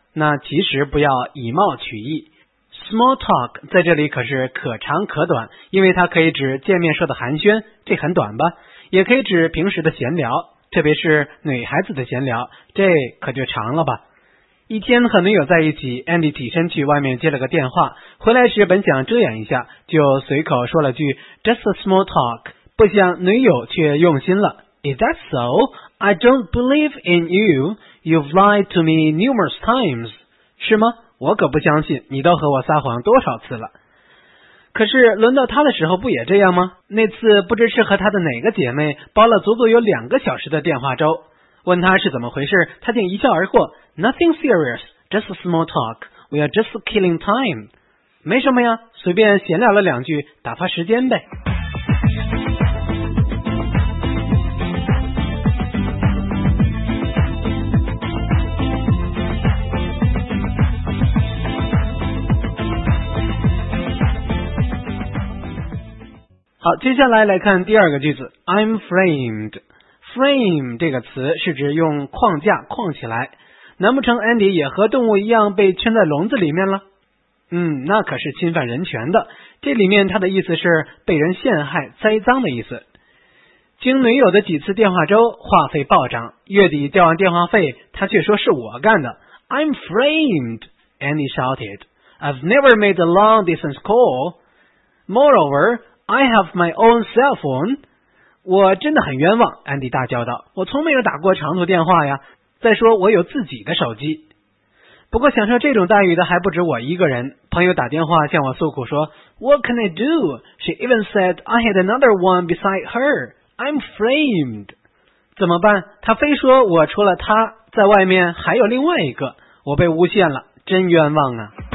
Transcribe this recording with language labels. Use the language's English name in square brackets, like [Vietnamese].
[Chinese] 那其实不要以貌取义， Small talk 在这里可是可长可短，因为它可以指见面说的寒暄，这很短吧，也可以指平时的闲聊，特别是女孩子的闲聊，这可就长了吧。一天和女友在一起， Andy 起身去外面接了个电话，回来时本想遮掩一下，就随口说了句 [English] Just a small talk， [Chinese] 不想女友却用心了。 [English] Is that so? I don't believe in you. You've lied to me numerous times. [Chinese] 是吗？我可不相信，你都和我撒谎多少次了。可是轮到他的时候不也这样吗？那次不知是和他的哪个姐妹煲了足足有两个小时的电话粥，问他是怎么回事，他竟一笑而过， [English] Nothing serious, just a small talk, we are just killing time. [Chinese] 没什么呀，随便闲聊了两句，打发时间呗。好，接下来来看第二个句子， [English] I'm framed。 [Chinese] Frame 这个词是指用框架框起来，难不成 Andy 也和动物一样被圈在笼子里面了？嗯，那可是侵犯人权的，这里面它的意思是被人陷害栽赃的意思。经女友的几次电话粥，话费暴涨，月底交完电话费，他却说是我干的。 [English] I'm framed, Andy shouted. I've never made a long distance call. Moreover, I have my own cell phone. [Chinese] 我真的很冤枉， Andy 大叫道，我从没有打过长途电话呀，再说我有自己的手机。不过享受这种待遇的还不止我一个人，朋友打电话向我诉苦说， [English] What can I do? She even said I had another one beside her. I'm framed. [Chinese] 怎么办？他非说我除了他在外面还有另外一个，我被诬陷了，真冤枉啊。